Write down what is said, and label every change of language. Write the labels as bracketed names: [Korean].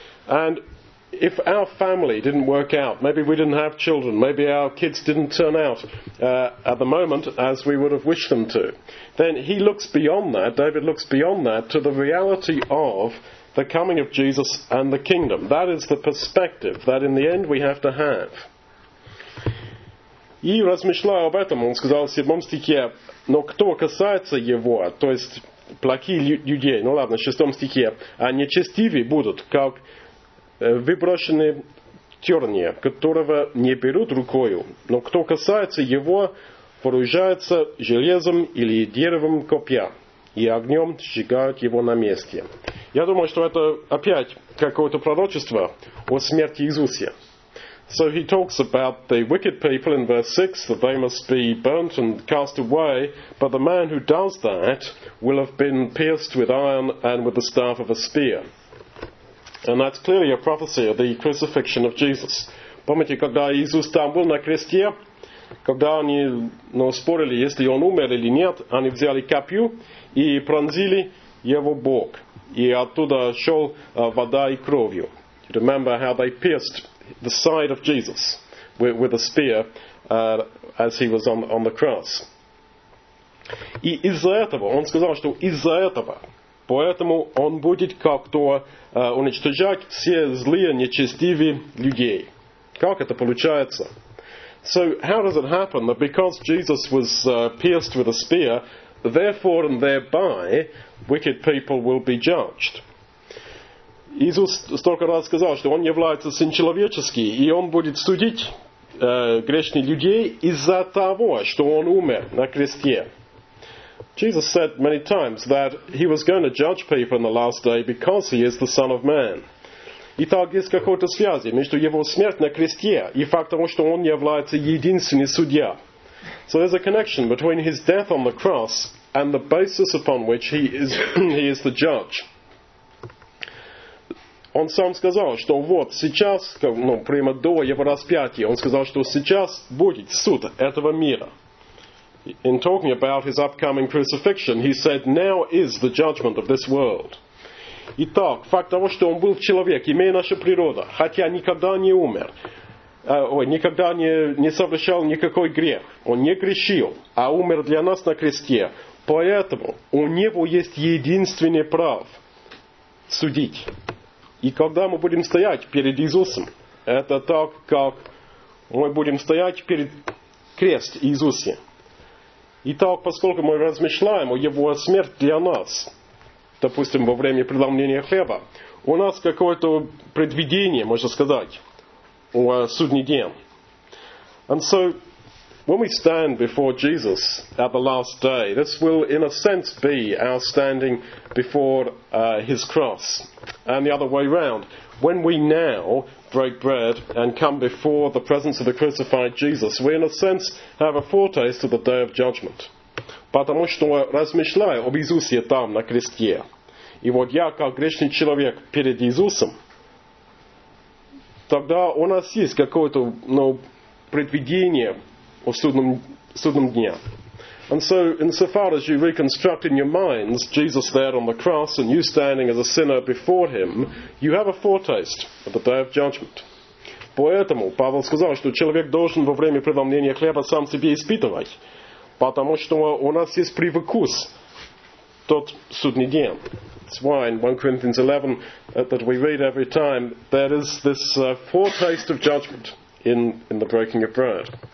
[English] And if our family didn't work out, maybe we didn't have children, maybe our kids didn't turn out at the moment as we would have wished them to, then he looks beyond that, David looks beyond that, to the reality of the coming of Jesus and the kingdom. That is the perspective that in the end we have to have. [Russian] И размышляя об этом, он сказал в 7 стихе, но кто касается его, то есть плохие людей, ну ладно, в 6 стихе, а нечестивые будут, как выброшенные терни, которого не берут рукою, но кто касается его, вооружается железом или деревом копья, и огнем сжигают его на месте. Я думаю, что это опять какое-то пророчество о смерти Иисуса. [English] So he talks about the wicked people in verse 6, that they must be burnt and cast away, but the man who does that will have been pierced with iron and with the staff of a spear. And that's clearly a prophecy of the crucifixion of Jesus. [Russian] Помните, когда Иисус там был на кресте, когда они спорили, если он умер или нет, они взяли копье и пронзили его бок. И оттуда шел вода и кровью. [English] You remember how they pierced the side of Jesus with a spear as he was on the cross. [Russian] И из-за этого, он сказал, что из-за этого, поэтому он будет как-то уничтожать все злые, нечестивые людей. Как это получается? [English] So how does it happen that because Jesus was pierced with a spear, therefore and thereby wicked people will be judged? [Russian] Иисус столько раз сказал, что Он является Сын Человеческий, и Он будет судить грешных людей из-за того, что Он умер на кресте. [English] Jesus said many times that He was going to judge people in the last day because He is the Son of Man. [Russian] Итак, есть какая-то связь между Его смертью на кресте и фактом, что Он является единственным судья. [English] So there's a connection between His death on the cross and the basis upon which he is the judge. [Russian] Он сам сказал, что вот сейчас, прямо до его распятия, он сказал, что сейчас будет суд этого мира. [English] In talking about his upcoming crucifixion, he said, now is the judgment of this world. [Russian] Итак, факт того, что он был человек, имея нашу природу, хотя никогда не умер, никогда не совершал никакой грех, он не грешил, а умер для нас на кресте, поэтому у него есть единственный прав судить. И когда мы будем стоять перед Иисусом, это так, как мы будем стоять перед крест Иисусе. Итак, поскольку мы размышляем о Его смерти для нас, допустим, во время преломления хлеба, у нас какое-то предвидение, можно сказать, о судный день. [English] And so, when we stand before Jesus at the last day, this will, in a sense, be our standing before His cross. And the other way round, when we now break bread and come before the presence of the crucified Jesus, we, in a sense, have a foretaste of the day of judgment. [Russian] Потому что размышляю об Иисусе там, на кресте. И вот я, как грешный человек перед Иисусом, тогда у нас есть какое-то предвидение о судном дне. [English] And so, insofar as you reconstruct in your minds Jesus there on the cross and you standing as a sinner before him, you have a foretaste of the day of judgment. [Russian] Поэтому Павел сказал, что человек должен во время преломления хлеба сам себе испытывать, потому что у нас есть привкус тот судный день. [English] That's why in 1 Corinthians 11 that we read every time, there is this foretaste of judgment in the breaking of bread.